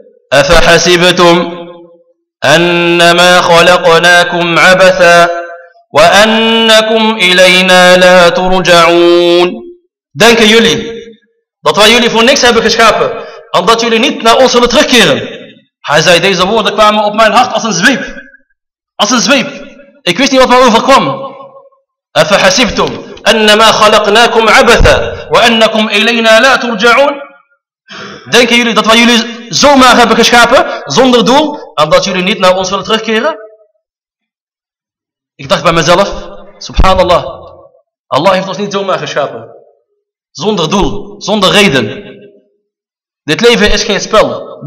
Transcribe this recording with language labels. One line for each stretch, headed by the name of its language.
Arabic: أفحسبتم أنما خلقناكم عبثا وأنكم إلينا لا ترجعون.
Dutch: Denken jullie dat wij jullie voor niks hebben geschapen en dat jullie niet naar ons zullen terugkeren? Hij zei, deze woorden kwamen op mijn hart als een zweep. Als een zweep. Ik wist niet wat mij overkwam.
Arabic: أفحسبتم أنما خلقناكم عبثا وأنكم إلينا لا ترجعون.
Dutch: Denken jullie dat wij jullie zomaar hebben geschapen, zonder doel, en dat jullie niet naar ons willen terugkeren? Ik dacht bij mezelf, subhanallah, Allah heeft ons niet zomaar geschapen. Zonder doel, zonder reden. Dit leven is geen spel.